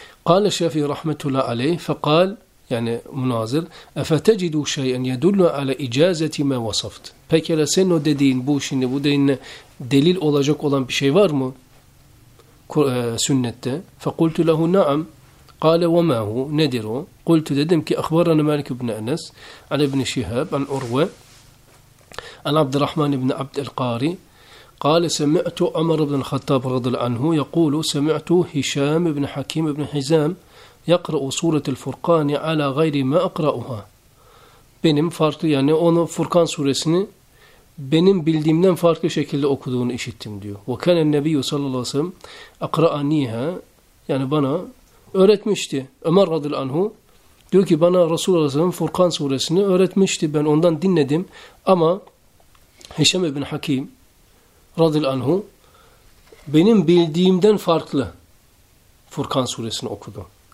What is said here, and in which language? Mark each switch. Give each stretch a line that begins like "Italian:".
Arabic: قال الشافعي رحمه الله عليه فقال
Turkish: yani münazir
Arabic: efetecidu şeyen yedullu ala icazeti ma vasaft.
Turkish: Peki sen o dediğin bu şimdi bu dediğin delil olacak olan bir şey var mı? Sünnette.
Arabic: Fekultu lehu naam. قال وما هو نذر قلت دهم كي اخبرنا مالك بن انس عن ابن شهاب عن عروه عن عبد الرحمن بن عبد القاري قال سمعت عمر بن الخطاب رضي الله عنه يقول سمعت هشام بن حكيم بن حزام يقرا سوره الفرقان على غير ما اقراها
Turkish: benim farklı yani onu Furkan suresini benim bildiğimden farklı şekilde okuduğunu işittim diyor.
Arabic: Ve kana nebiyyu sallallahu aleyhi ve sellem aqra'aniha
Turkish: yani bana öğretmişti. Ömer radıyallahu anhu diyor ki bana Resulullah sallallahu aleyhi ve sellem Furkan suresini öğretmişti. Ben ondan dinledim ama Hişam ibn Hakim radıyallahu anhu benim bildiğimden farklı Furkan suresini okudu.